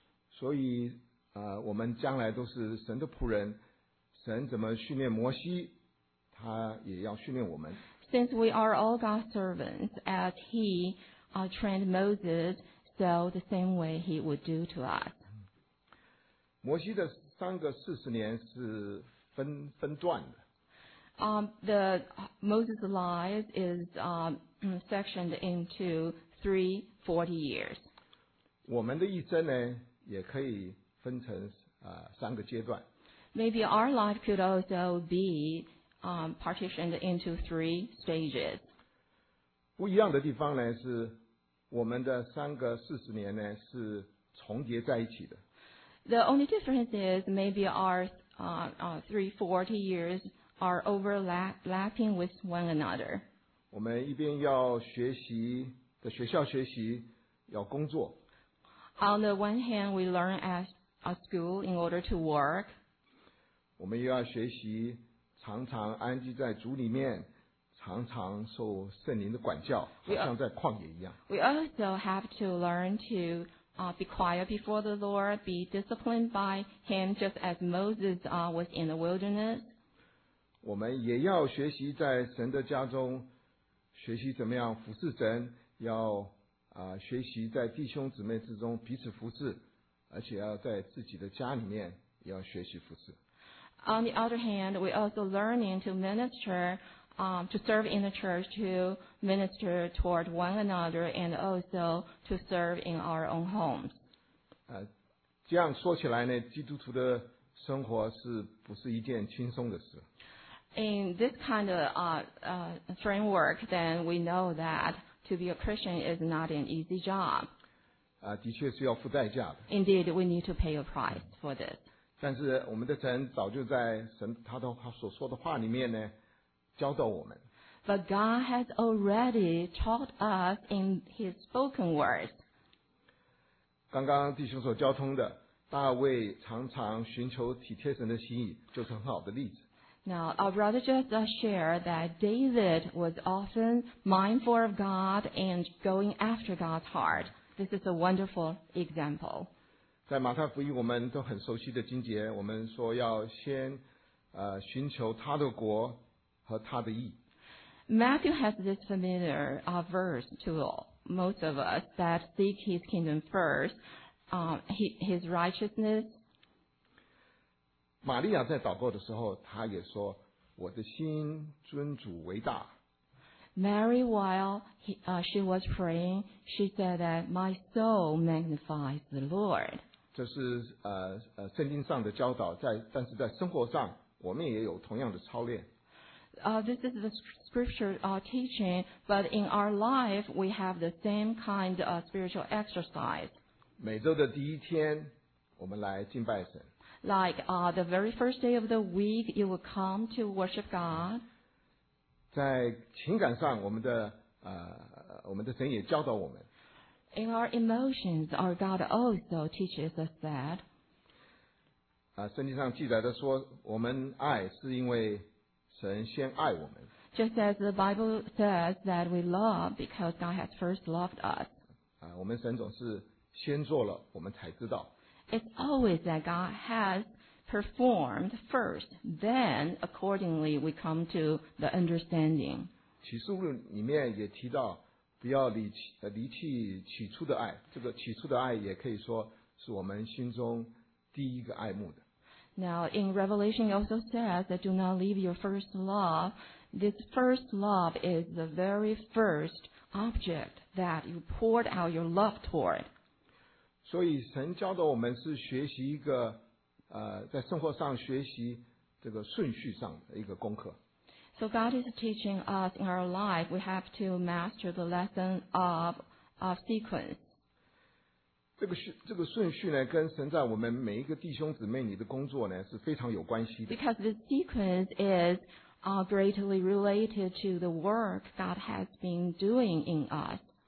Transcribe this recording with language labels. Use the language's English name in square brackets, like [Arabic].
[Chinese] 所以，我们将来都是神的仆人。神怎么训练摩西，他也要训练我们。 [English] Since we are all God's servants, as He trained Moses, so the same way He would do to us. [Chinese] 摩西的三个四十年是分段的。 [English] The Moses' life is sectioned into three 40 years. [Chinese] 我们的一生呢，也可以分成三个阶段。 [English] Maybe our life could also be partitioned into three stages. [Chinese] 不一样的地方呢，是我们的三个四十年呢，是重叠在一起的。 [English] The only difference is maybe our 340 years are overlapping with one another. [Chinese] 我们一边要学习，在学校学习，要工作。 [English] On the one hand, we learn at a school in order to work. [Chinese] 我们又要学习常常安居在主里面常常受圣灵的管教好像在旷野一样。 [English] We also have to learn to be quiet before the Lord, be disciplined by Him just as Moses was in the wilderness. [Chinese] 我们也要学习在神的家中学习怎么样服侍神要学习在弟兄姊妹之中彼此服侍而且要在自己的家里面也要学习服侍。 [English] On the other hand, we also learning to minister, to serve in the church, to minister toward one another, and also to serve in our own homes. [Chinese] 这样说起来呢，基督徒的生活是不是一件轻松的事？ [English] in this kind of framework, then we know that to be a Christian is not an easy job. [Chinese] 的确是要付代价的。 [English] Indeed, we need to pay a price for this. [Chinese] 但是我们的神早就在神他的所说的话里面呢，教导我们。 [English] But God has already taught us in His spoken words. [Chinese] 刚刚弟兄所交通的，大卫常常寻求体贴神的心意，就是很好的例子。 [English] Now, our brother just shared that David was often mindful of God and going after God's heart. This is a wonderful example. [Chinese] 在马太福音我们都很熟悉的经节，我们说要先寻求他的国和他的义。 [English] Matthew has this familiar verse to most of us that seek his kingdom first, his righteousness. [Chinese] 玛利亚在祷告的时候，她也说：“我的心尊主为大。” [English] Mary, while she was praying, she said that my soul magnifies the Lord. [Chinese] 这是圣经上的教导，但是在生活上，我们也有同样的操练。 [English] This is the scripture teaching, but in our life we have the same kind of spiritual exercise. [Chinese] 每周的第一天，我们来敬拜神。 [English] Like the very first day of the week, you will come to worship God. [Chinese] 在情感上，我们的神也教导我们。 [English] In our emotions, our God also teaches us that. [Chinese] 圣经上记载的说，我们爱是因为。神先爱我们。 [English] Just as the Bible says that we love because God has first loved us. [Chinese] 我们神总是先做了，我们才知道。 [English] It's always that God has performed first, then accordingly we come to the understanding. [Chinese] 启示录里面也提到，不要离弃起初的爱。这个起初的爱也可以说是我们心中第一个爱慕的。 [English] Now, in Revelation, it also says that do not leave your first love. This first love is the very first object that you poured out your love toward. [Chinese] 所以神教导我们是学习一个在生活上学习这个顺序上的一个功课。 [English] So God is teaching us in our life, we have to master the lesson of sequence. [Chinese] 这个顺序呢，跟神在我们每一个弟兄姊妹你的工作呢是非常有关系的。 [English] Because the sequence is greatly related to the work God has been doing in us.